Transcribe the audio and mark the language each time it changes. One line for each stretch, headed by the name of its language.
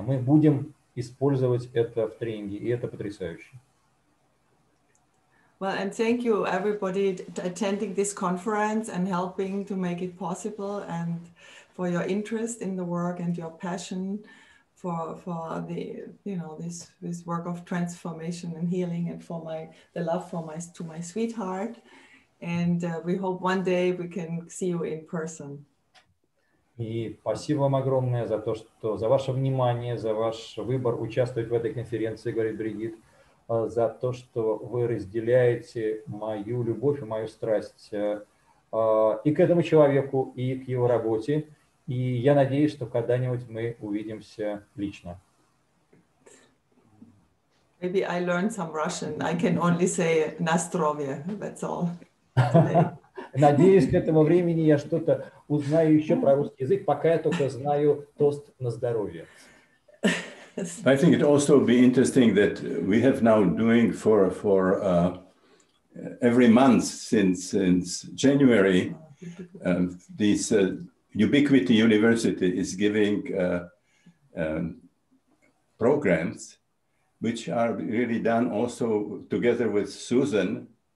Russian: Мы будем использовать это в тренинге, и это потрясающе.
English: Well, and thank you everybody attending this conference and helping to make it possible, and for your interest in the work and your passion for the, you know, this work of transformation and healing, and for the love to my sweetheart. And we hope one day we can see you in person.
Russian: И спасибо вам огромное за то, что за ваше внимание, за ваш выбор участвовать в этой конференции, говорит Бригит, за то, что вы разделяете мою любовь и мою страсть и к этому человеку, и к его работе. И я надеюсь, что когда-нибудь мы увидимся лично.
English: Maybe I learned some Russian. I can only say
Russian: на здоровье,
English: that's all.
Russian: Надеюсь, к этому времени я что-то узнаю еще про русский язык, пока я только знаю тост на здоровье.
English: I think it also be interesting that we have now doing for every month since January, this Ubiquity University is giving programs which are really done also together with Susan.